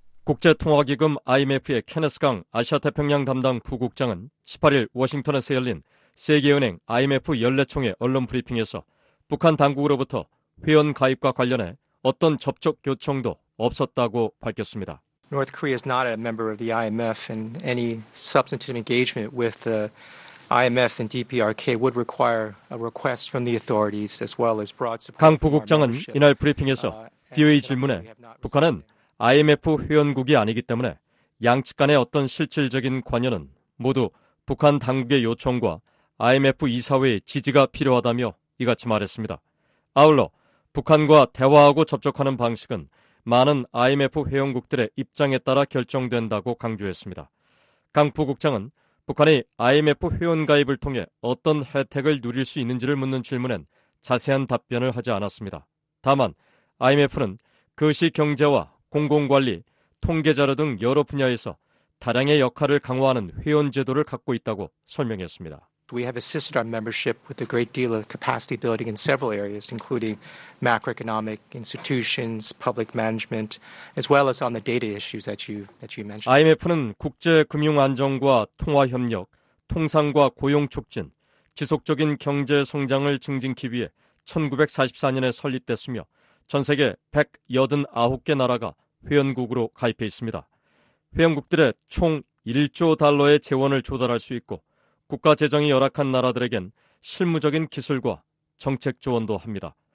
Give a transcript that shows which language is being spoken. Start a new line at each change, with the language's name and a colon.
Korean: 국제통화기금 IMF의 케네스 강 아시아태평양 담당 부국장은 18일 워싱턴에서 열린 세계은행 IMF 연례총회 언론 브리핑에서 북한 당국으로부터 회원 가입과 관련해 어떤 접촉 요청도 없었다고 밝혔습니다.
English: North Korea is not a member of the IMF and any substantive engagement with the IMF and DPRK would require a request from the authorities as well as broad support.
Korean: 강 부국장은 이날 브리핑에서 VOA 질문에 북한은 IMF 회원국이 아니기 때문에 양측 간의 어떤 실질적인 관여는 모두 북한 당국의 요청과 IMF 이사회의 지지가 필요하다며 이같이 말했습니다. 아울러 북한과 대화하고 접촉하는 방식은 많은 IMF 회원국들의 입장에 따라 결정된다고 강조했습니다. 강 부국장은 북한이 IMF 회원 가입을 통해 어떤 혜택을 누릴 수 있는지를 묻는 질문엔 자세한 답변을 하지 않았습니다. 다만 IMF는 그시 경제와 공공관리, 통계자료 등 여러 분야에서 다량의 역할을 강화하는 회원 제도를 갖고 있다고 설명했습니다.
English: We have assisted our membership with a great deal of capacity building in several areas, including macroeconomic institutions, public management, as well as on the data issues that you mentioned.
Korean: IMF는 국제 금융 안정과 통화 협력, 통상과 고용 촉진, 지속적인 경제 성장을 증진하기 위해 1944년에 설립됐으며 전 세계 189개 나라가 회원국으로 가입해 있습니다. 회원국들의 총 1조 달러의 재원을 조달할 수 있고 국가 재정이 열악한 나라들에겐 실무적인 기술과 정책 조언도 합니다.